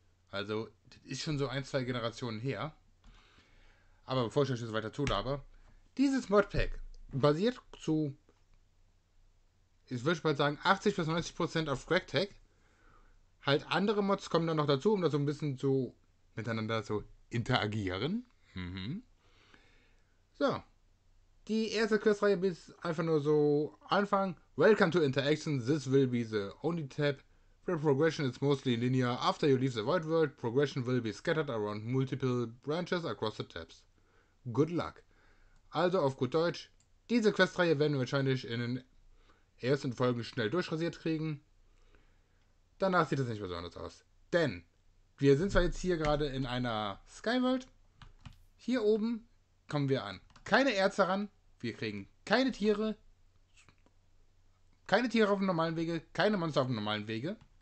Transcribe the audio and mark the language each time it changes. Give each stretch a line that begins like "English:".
German: Also, das ist schon so ein, zwei Generationen her. Aber bevor ich euch jetzt weiter zulabere, dieses Modpack basiert zu, ich würde mal sagen, 80 bis 90% auf Gregtag. Halt, andere Mods kommen dann noch dazu, um da so ein bisschen zu miteinander zu interagieren. So, die erste Questreihe ist einfach nur so Anfang.
English: Welcome to Interaction. This will be the only tab. Where progression is mostly linear. After you leave the void world, progression will be scattered around multiple branches across the tabs. Good luck.
German: Also auf gut Deutsch, diese Questreihe werden wir wahrscheinlich in den ersten Folgen schnell durchrasiert kriegen. Danach sieht es nicht besonders aus. Denn wir sind zwar jetzt hier gerade in einer Skyworld. Hier oben kommen wir an. Keine Erze ran, wir kriegen keine Tiere auf dem normalen Wege, keine Monster auf dem normalen Wege.